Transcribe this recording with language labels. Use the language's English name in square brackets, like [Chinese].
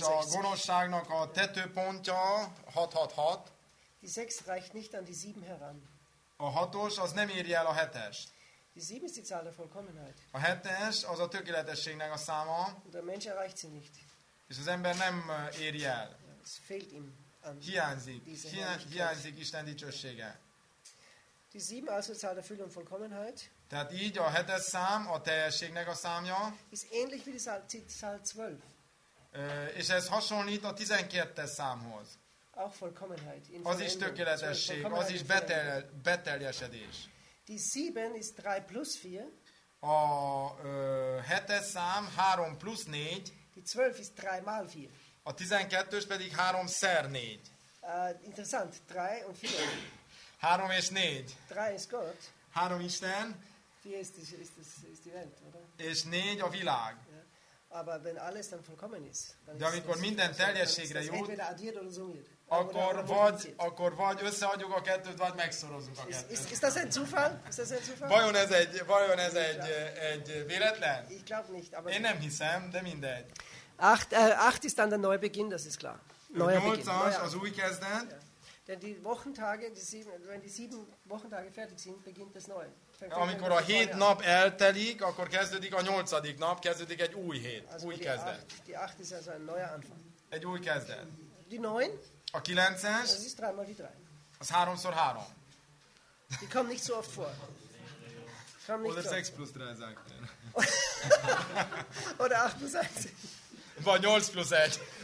[Hungarian] És a gonoszságnak a tetőpontja 666. [German] Die 6 reicht nicht an die 7 heran. [Hungarian] A hatos az nem érje el a hetest. [German] Die 7 ist die Zahl der Vollkommenheit. [Hungarian] A hetes az a tökéletességnek a száma. [German] Und der Mensch erreicht sie nicht. [Hungarian] És az ember nem érje el. [German] Es fehlt ihm [Hungarian] hiányzik Isten dicsősége. [German] Die 7 also Zahl der Fülle und Vollkommenheit. [Hungarian] Tehát így a hetes szám a teljességnek a számja. [German] Ist ähnlich wie die Zahl 12. [Hungarian] És ez hasonlít a 12-es számhoz. [German] Auch Vollkommenheit. [Hungarian] Az is tökéletesség, az is beteljesedés. [German] Die 7 ist 3 plus 4. [Hungarian] A hetes szám 3 plusz 4. [German] Die 12 ist 3 mal 4. [Hungarian] A 12-ös pedig 3x4. [German] Interessant, 3 und 4. [Hungarian] 3 és 4. [German] 3 ist Gott. [Hungarian] 3 Isten. [German] 4 ist die Welt, oder? [Hungarian] És 4 a világ. Yeah. [German] Aber wenn alles dann vollkommen ist, dann [Hungarian] de amikor minden teljességre jut, [German] entweder addiert oder summiert. [Hungarian] Akkor vagy összeadjuk a kettőt, vagy megszorozzuk a kettőt. [German] Ist das ein Zufall? Ist das ein Zufall? [Hungarian] Vajon ez egy véletlen? [German] Ich glaube nicht, aber [Hungarian] én nem hiszem, de mindegy. [German] 8 ist dann der Neubeginn, das ist klar. Neuer Beginn. Denn die Wochentage, wenn die 7 Wochentage fertig sind, beginnt das Neue. [Hungarian] Amikor a 7 nap eltelik, akkor kezdődik a 8. nap, kezdődik egy új hét, also új kezdet. [German] Die 8 ist also ein neuer Anfang. [Hungarian] Egy új kezdet. [German] Die 9? [Hungarian] A 9-es. [German] Das ist 3 mal die 3. [Hungarian] Az 3x3. Három. [German] Die kommen nicht so oft vor. Oder 6 plus 3, sagt er. Oder 8 plus 1. [Hungarian] Vagy 8 plusz 1.